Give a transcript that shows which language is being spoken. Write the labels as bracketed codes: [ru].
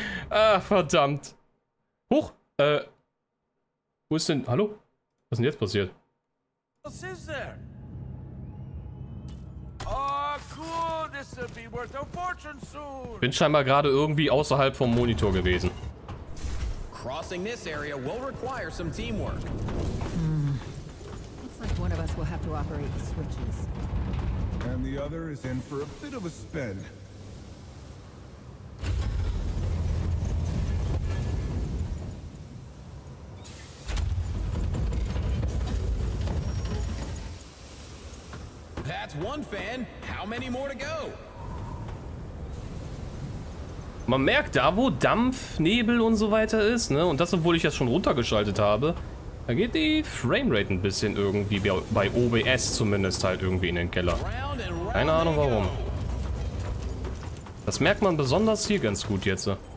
[de] Ah, verdammt. Huch, wo ist denn, hallo? Was ist denn jetzt passiert? Was ist da? [en] Oh, cool, this will be worth a fortune soon. [de] Bin scheinbar gerade irgendwie außerhalb vom Monitor gewesen. [en] Crossing this area will require some teamwork. Looks like one of us will have to operate the switches. And the other is in for a bit of a spin. One fan, how many more to go? [de] Man merkt da, wo Dampf, Nebel und so weiter ist, ne? Und das, obwohl ich das schon runtergeschaltet habe, da geht die Framerate ein bisschen irgendwie bei OBS zumindest halt irgendwie in den Keller. Keine Ahnung warum. Das merkt man besonders hier ganz gut jetzt.